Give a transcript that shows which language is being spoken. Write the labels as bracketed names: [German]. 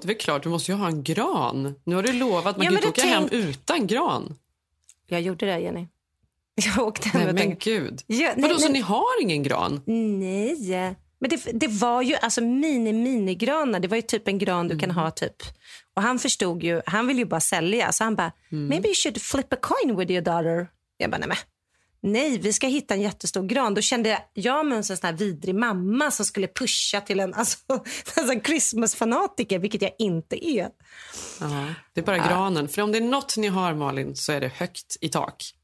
[Swedish] Det är klart. Du måste ju ha en gran. Nu har du lovat att man kan åka hem utan gran. Jag gjorde det, Jenny. Jag åkte hem. Nej, men gud. Vadå, så ni har ingen gran? Nej. Men det var ju alltså mini-mini-granar. Det var ju typ en gran du kan ha, typ. Och han förstod ju, han ville ju bara sälja. Så han bara, [English] maybe you should flip a coin with your daughter. [Swedish] Jag bara, nej, vi ska hitta en jättestor gran. Då kände jag mig en sån här vidrig mamma som skulle pusha till en, alltså, en Christmas-fanatiker, vilket jag inte är. Det är bara granen. För om det är något ni har, Malin, så är det högt i tak.